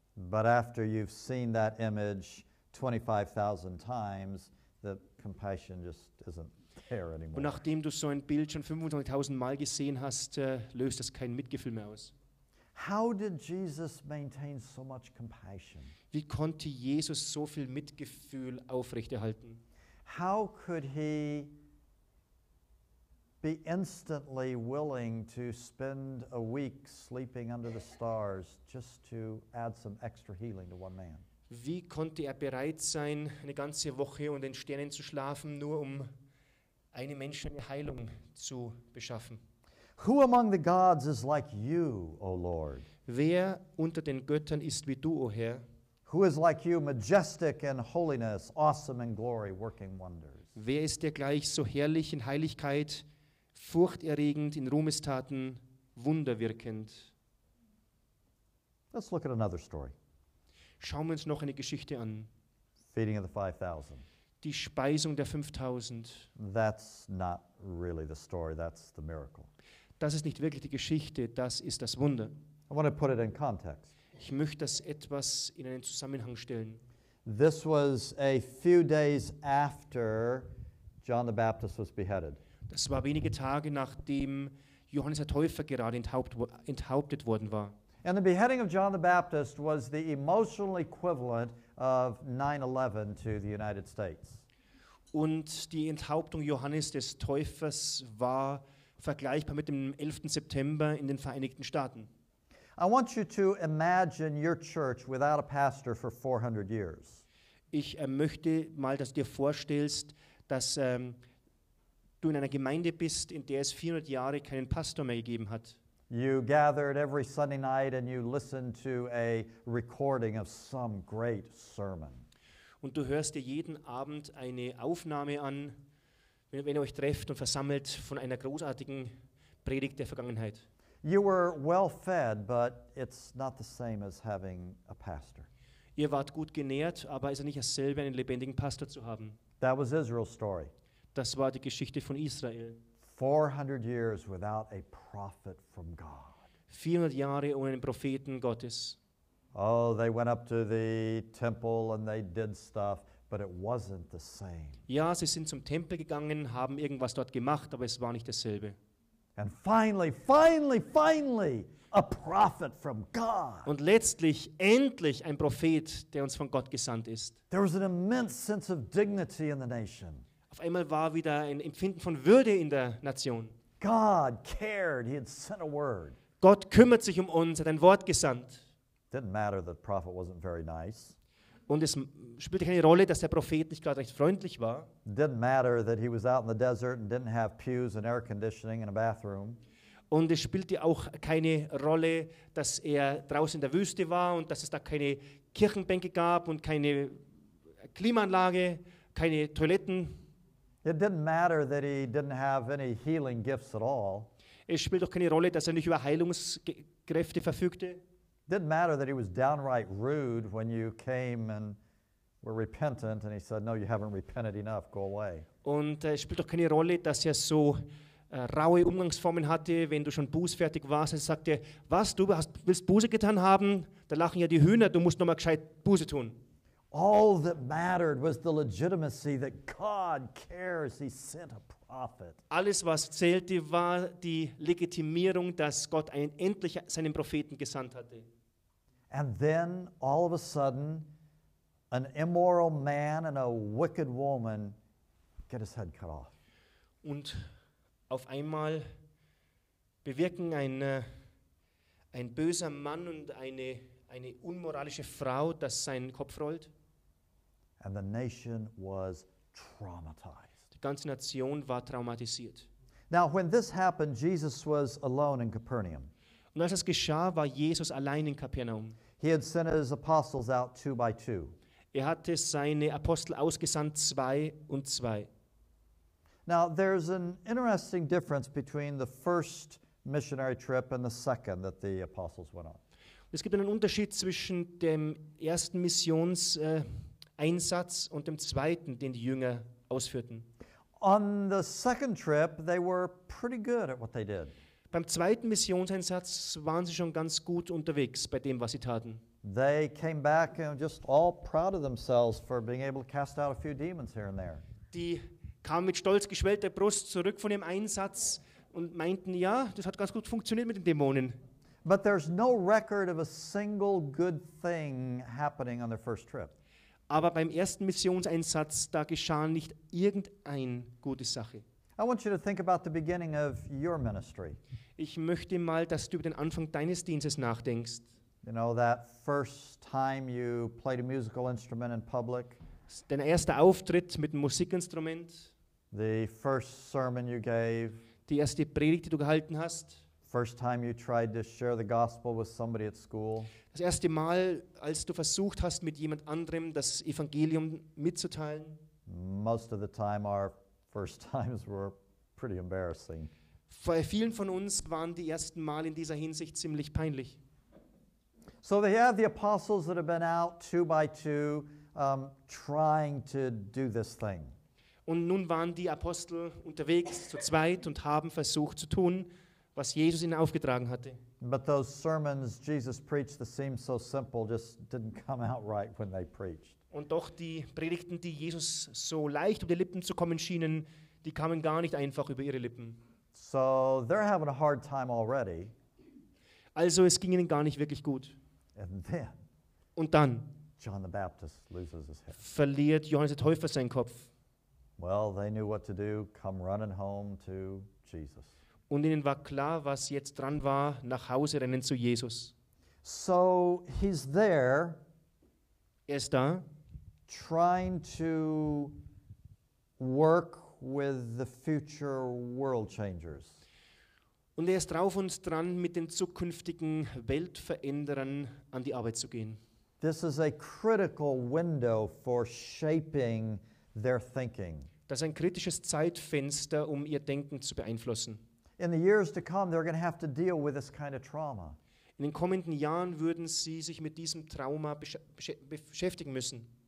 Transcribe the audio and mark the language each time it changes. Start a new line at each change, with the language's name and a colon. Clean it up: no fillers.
English: But after you've seen that image 25,000 times, the compassion just isn't there anymore.
German: Und nachdem du so ein Bild schon 25,000 Mal gesehen hast, löst das kein Mitgefühl mehr aus.
English: How did Jesus maintain so much compassion?
German: Wie konnte Jesus so viel Mitgefühl aufrechterhalten?
English: How could he be instantly willing to spend a week sleeping under the stars just to add some extra healing to one man?
German: Wie konnte er bereit sein, eine ganze Woche unter den Sternen zu schlafen, nur um einem Menschen eine Heilung zu beschaffen?
English: Who among the gods is like you, O Lord?
German: Wer unter den Göttern ist wie du, O Herr?
English: Who is like you, majestic in holiness, awesome in glory, working wonders?
German: Wer ist dir gleich, so herrlich in Heiligkeit, furchterregend in Ruhmestaten, wunderwirkend?
English: Let's look at another story.
German: Schauen wir uns noch eine Geschichte an.
English: Feeding of the 5,000.
German: Die Speisung der 5,000.
English: That's not really the story, that's the miracle.
German: Das ist nicht wirklich die Geschichte, das ist das Wunder.
English: I want to put it in context.
German: Ich möchte das etwas in einen Zusammenhang stellen.
English: This was a few days after John the Baptist was beheaded.
German: Das war wenige Tage, nachdem Johannes der Täufer gerade enthauptet worden war.
English: And the beheading of John the Baptist was the emotional equivalent of 9/11 to the United States.
German: Und die Enthauptung Johannes des Täufers war vergleichbar mit dem 11. September in den Vereinigten Staaten.
English: I want you to imagine your church without a pastor for 400 years.
German: Ich möchte mal, dass du dir vorstellst, dass du in einer Gemeinde bist, in der es 400 Jahre keinen Pastor mehr gegeben hat.
English: You gathered every Sunday night and you listened to a recording of some great sermon.
German: Und du hörst dir jeden Abend eine Aufnahme an, wenn ihr euch trefft und versammelt von einer großartigen Predigt der Vergangenheit.
English: You were well fed, but it's not the same as having a pastor.
German: Ihr wart gut genährt, aber es ist nicht dasselbe, einen lebendigen Pastor zu haben.
English: That was Israel's story.
German: Das war die Geschichte von Israel.
English: 400 years without a prophet from God.
German: 400 Jahre ohne einen Propheten Gottes.
English: Oh, they went up to the temple and they did stuff, but it wasn't the same.
German: Ja, sie sind zum Tempel gegangen, haben irgendwas dort gemacht, aber es war nicht dasselbe.
English: And finally, a prophet from God.
German: Und letztlich, endlich ein Prophet, der uns von Gott gesandt ist.
English: There was an immense sense of dignity in the nation.
German: Auf einmal war wieder ein Empfinden von Würde in der Nation.
English: God cared. He had sent a word.
German: Gott kümmert sich um uns, hat ein Wort gesandt.
English: Didn't matter that the prophet wasn't very nice.
German: Und es spielte keine Rolle, dass der Prophet nicht gerade recht freundlich war.
English: Didn't matter that he was out in the desert and didn't have pews and air conditioning and a bathroom.
German: Und es spielte auch keine Rolle, dass er draußen in der Wüste war und dass es da keine Kirchenbänke gab und keine Klimaanlage, keine Toiletten.
English: It didn't matter that he didn't have any healing gifts at all.
German: Es spielt auch keine Rolle, dass er nicht über Heilungskräfte verfügte.
English: Didn't matter that he was downright rude when you came and were repentant and he said, no, you haven't repented enough, go away.
German: Und es spielt auch keine Rolle, dass er so raue Umgangsformen hatte, wenn du schon bußfertig warst. Er sagte, was, du willst Buße getan haben? Da lachen ja die Hühner, du musst nochmal gescheit Buße tun.
English: All that mattered was the legitimacy that God cares, he sent a prophet.
German: Alles, was zählte, war die Legitimierung, dass Gott einen endlich seinen Propheten gesandt hatte.
English: And then, all of a sudden, an immoral man and a wicked woman get his head cut off.
German: Und auf einmal bewirken ein böser Mann und eine unmoralische Frau, dass sein Kopf rollt.
English: And the nation was traumatized.
German: Die ganze Nation war traumatisiert.
English: Now, when this happened, Jesus was alone in Capernaum.
German: Und als das geschah, war Jesus allein in Kapernaum.
English: He had sent his apostles out two by two.
German: Er hatte seine Apostel ausgesandt zwei und zwei.
English: Now, there's an interesting difference between the first missionary trip and the second that the apostles went on.
German: Es gibt einen Unterschied zwischen dem ersten Missionseinsatz und dem zweiten, den die Jünger ausführten.
English: On the second trip, they were pretty good at what they did.
German: Beim zweiten Missionseinsatz waren sie schon ganz gut unterwegs bei dem, was sie taten.
English: They came back and just all proud of themselves for being able to cast out a few demons here and there.
German: Die kamen mit stolz geschwellter Brust zurück von dem Einsatz und meinten, ja, das hat ganz gut funktioniert mit den Dämonen.
English: But there's no record of a single good thing happening on their first trip.
German: Aber beim ersten Missionseinsatz, da geschah nicht irgendeine gute Sache.
English: I want you to think about the beginning of your ministry.
German: Ich möchte mal, dass du über den Anfang deines Dienstes nachdenkst.
English: You know, that first time you played a musical instrument in public.
German: Dein erster Auftritt mit einem Musikinstrument.
English: The first sermon you gave.
German: Die erste Predigt, die du gehalten hast.
English: First time you tried to share the gospel with somebody at school.
German: Das erste Mal, als du versucht hast, mit jemand anderem das Evangelium mitzuteilen.
English: Most of the time our first times were pretty embarrassing.
German: Bei vielen von uns waren die ersten Mal in dieser Hinsicht ziemlich peinlich.
English: So they have the apostles that have been out two by two trying to do this thing.
German: Und nun waren die Apostel unterwegs zu zweit und haben versucht zu tun, was Jesus ihnen aufgetragen hatte.
English: But those sermons Jesus preached that seemed so simple just didn't come out right when they preached.
German: Und doch die Predigten, die Jesus so leicht um die Lippen zu kommen schienen, die kamen gar nicht einfach über ihre Lippen.
English: So they're having a hard time already.
German: Also es ging ihnen gar nicht wirklich gut.
English: And then,
German: und dann
English: John the Baptist loses his head.
German: Verliert Johannes der Täufer seinen Kopf.
English: Well, they knew what to do. Come running home to Jesus.
German: Und ihnen war klar, was jetzt dran war, nach Hause rennen zu Jesus.
English: So he's there.
German: Er ist da.
English: Trying to work with the future world changers.
German: Und er ist drauf und dran, mit den zukünftigen Weltveränderern an die Arbeit zu gehen.
English: This is a critical window for shaping their thinking.
German: Das ist ein kritisches Zeitfenster, um ihr Denken zu beeinflussen.
English: In the years to come, they're going to have to deal with this kind of trauma.
German: In den kommenden Jahren würden sie sich mit diesem Trauma beschäftigen müssen.